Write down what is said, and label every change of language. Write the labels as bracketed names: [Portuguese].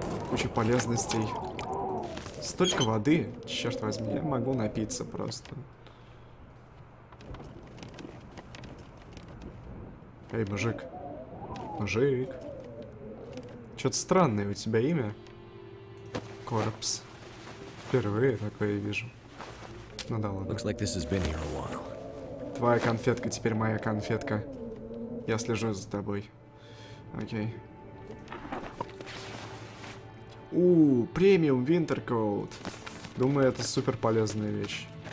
[Russian] Куча полезностей. Столько воды. Черт возьми, я могу напиться просто. Эй, мужик. Мужик. Что-то странное у тебя имя. Корпс. Впервые такое вижу. Ну да, ладно. [English] Looks like this has been here a while. [Russian] Твоя конфетка теперь моя конфетка. Я слежу за тобой. Окей. Премиум Winter Coat. Думаю, это супер полезная вещь.